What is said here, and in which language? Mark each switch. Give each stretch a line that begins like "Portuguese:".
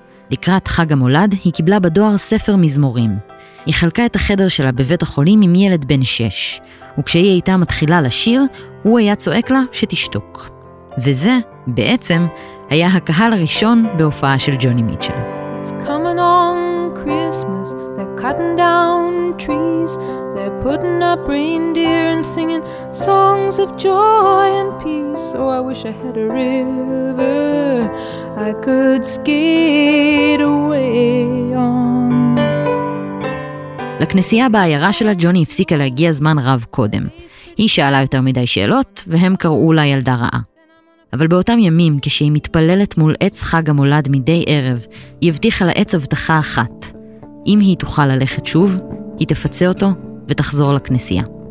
Hebrew: לקראת חג המולד היא קיבלה בדואר ספר מזמורים. היא חלקה את החדר שלה בבית החולים עם ילד בן 6, וכשהיא הייתה מתחילה לשיר, הוא היה צועק לה שתשתוק. וזה, בעצם, היה הקהל הראשון בהופעה של ג'וני מיטשל.
English: It's coming on Christmas, they're cutting down trees. They're putting up reindeer and singing songs of joy and peace. Oh, I wish I had a river I could skate away on.
Hebrew: לכנסייה בעיירה שלה ג'וני הפסיקה להגיע זמן רב קודם. היא שאלה יותר מדי שאלות, והם קראו לה ילדה רעה. אבל באותם ימים, כשהיא מתפללת מול עץ חג המולד מדי ערב, היא הבטיחה לעץ הבטחה אחת. אם היא תוכל ללכת שוב, היא תפצה אותו ותחזור לכנסייה.